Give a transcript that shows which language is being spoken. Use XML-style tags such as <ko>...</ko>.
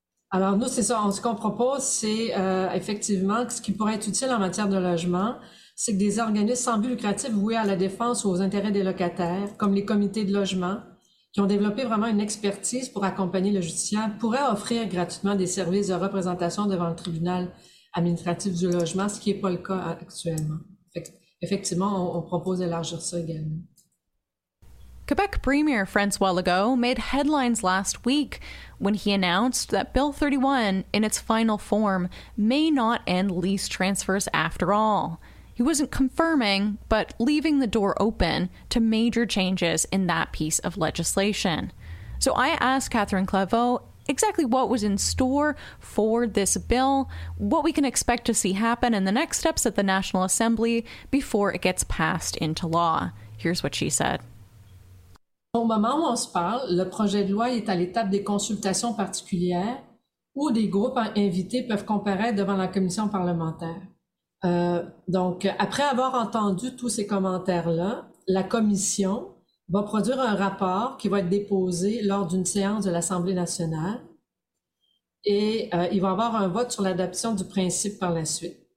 <fr>Alors nous, c'est ça, ce qu'on propose, c'est effectivement ce qui pourrait être utile en matière de logement, c'est que des organismes sans but lucratif voués à la défense ou aux intérêts des locataires, comme les comités de logement, qui ont développé vraiment une expertise pour accompagner le justiciable, pourraient offrir gratuitement des services de représentation devant le tribunal administratif du logement, ce qui n'est pas le cas actuellement. Effectivement, on propose d'élargir ça également.</fr> <en>Quebec Premier François Legault made headlines last week when he announced that Bill 31, in its final form, may not end lease transfers after all. He wasn't confirming, but leaving the door open to major changes in that piece of legislation. So I asked Catherine Claveau exactly what was in store for this bill, what we can expect to see happen in the next steps at the National Assembly before it gets passed into law. Here's what she said.</en> <fr>Au moment où on se parle, le projet de loi est à l'étape des consultations particulières où des groupes invités peuvent comparaître devant la commission parlementaire. Donc, après avoir entendu tous ces commentaires-là, la commission va produire un rapport qui va être déposé lors d'une séance de l'Assemblée nationale et il va y avoir un vote sur l'adoption du principe par la suite.</fr>